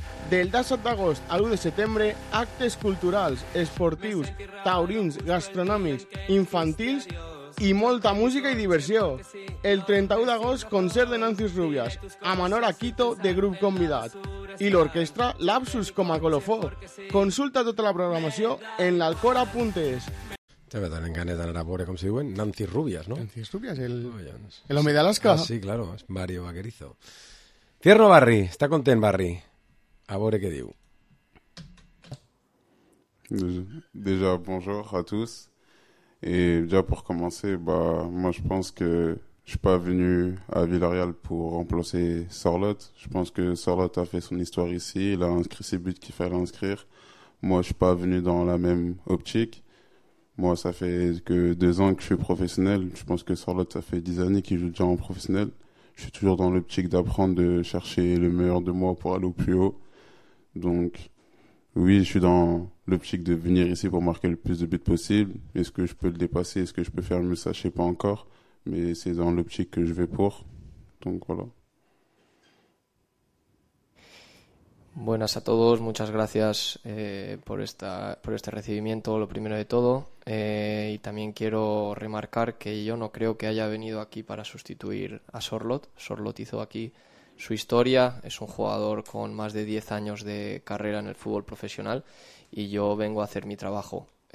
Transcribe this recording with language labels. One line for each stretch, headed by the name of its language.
Catalan: Del 17 d'agost a 1 de setembre, actes culturals, esportius, taurins, gastronòmics, infantils i molta música i diversió. El 31 d'agost, concert de Nancy Rubias, amb Anora Aquito de grup convidat i l'orquestra Lapsus com a colofó. Consulta tota la programació en l'alcora.es.
Spanish: Ya me dan ganas de dar a pobre, como se dicen, Nancy Rubias, ¿no? Nancy Rubias, el hombre de Alaska. Ah, sí, claro, es Mario Vaquerizo. Cierro Barry, está contento Barry. A pobre
Catalan: que diu.
French: Déjà, bonjour a tous. Et déjà pour commencer, bah, moi je pense que je suis pas venu à Villarreal pour remplacer Sorloth. Je pense que Sorloth a fait son histoire ici, il a inscrit ses buts qu'il fallait inscrire. Moi je suis pas venu dans la même optique. Moi, ça fait que 2 ans que je suis professionnel. Je pense que Sorloth, ça fait 10 années qu'il joue déjà en professionnel. Je suis toujours dans l'optique d'apprendre, de chercher le meilleur de moi pour aller au plus haut. Donc, Oui, je suis dans l'optique de venir ici pour marquer le plus de buts possible. Est-ce que je peux le dépasser? Est-ce que je peux faire mieux? Ça, je sais pas encore. Mais c'est dans l'optique que je vais pour. Donc voilà.
Spanish: Buenas a todos, muchas gracias por este recibimiento, lo primero de todo. Y también quiero remarcar que yo no creo que haya venido aquí para sustituir a Sorloth. Sorloth hizo aquí su historia, es un jugador con más de 10 años de carrera en el fútbol profesional y yo vengo a hacer mi trabajo.